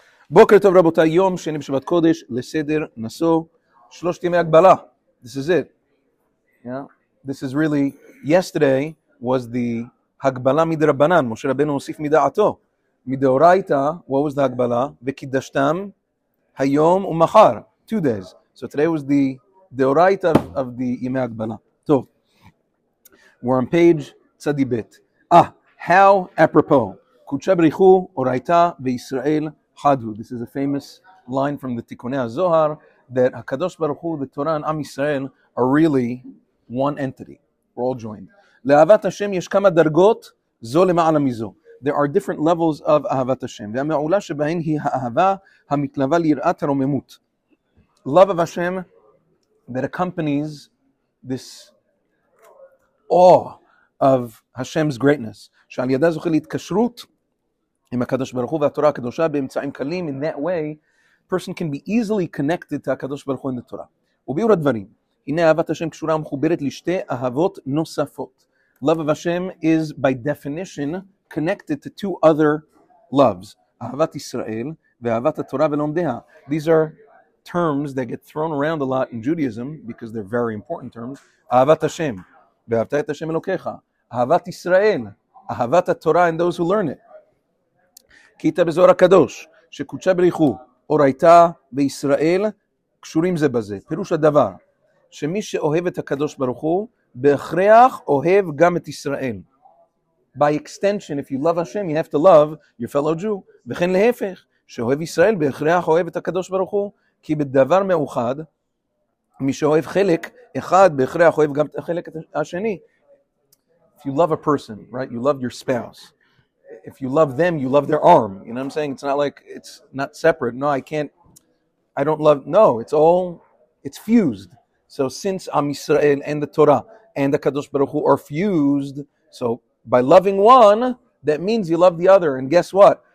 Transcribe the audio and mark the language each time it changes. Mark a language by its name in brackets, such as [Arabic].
[Hebrew] בוקר טוב רבותיי, יום שני בשבת קודש, לסדר נסו, שלושת ימי הגבלה. [English] This is it. Yeah. This is really, yesterday was the [Hebrew] הגבלה מדרבנן, משה רבנו הוסיף מדעתו. [English] מדאורייתא, what was the הגבלה? [Hebrew] וקידשתם היום ומחר, [English] 2 days. So today was the דאורייתא of the ימי הגבלה. טוב, we're on page צדי בית. Ah, how apropos, [Aramaic] קודשה בריחו, אורייתא וישראל, Hadu. [English] This is a famous line from the Tikkunei HaZohar that HaKadosh Baruch Hu, the Torah, and Am Yisrael are really one entity. We're all joined. [Hebrew] Le'avat Hashem yesh kama dargot zo lema'ala mizo. [English] There are different levels of Ahavat Hashem. [Hebrew] Ve'ameula shebahen hi ha'ahava ha'mitlava li'irat ha'romemut. [English] Love of Hashem that accompanies this awe of Hashem's greatness. [Hebrew] She'al yada zuchel itkashrut עם הקדוש ברוך הוא והתורה הקדושה באמצעים קלים. [English] In that way, person can be easily connected to הקדוש ברוך הוא and the Torah. [Hebrew] וביאור הדברים, הנה אהבת השם קשורה ומחוברת לשתי אהבות נוספות. [English] Love of Hashem is, by definition, connected to two other loves. [Hebrew] אהבת ישראל ואהבת התורה ולומדיה. [English] These are terms that get thrown around a lot in Judaism, because they're very important terms. [Hebrew] אהבת השם, ואהבת את השם אלוקיך. אהבת ישראל, אהבת התורה [English] and those who learn it. [Hebrew] קיטה בזוהר הקדוש, שקודשה בריחו, אורייתא וישראל, קשורים זה בזה. פירוש הדבר, שמי שאוהב את הקדוש ברוך הוא, בהכרח אוהב גם את ישראל. [English] By extension, if you love Hashem, you have to love your fellow Jew. [Hebrew] וכן להפך, שאוהב ישראל, בהכרח אוהב את הקדוש ברוך הוא, כי בדבר מאוחד, מי שאוהב חלק אחד, בהכרח אוהב גם את החלק השני. [English] If you love a person, right, you love your spouse. If you love them, you love their arm. You know what I'm saying? It's not like, it's not separate. No, I can't, I don't love, no, it's all, it's fused. So since Am Yisrael and the Torah and the Kadosh Baruch Hu are fused, so by loving one, that means you love the other. And guess what?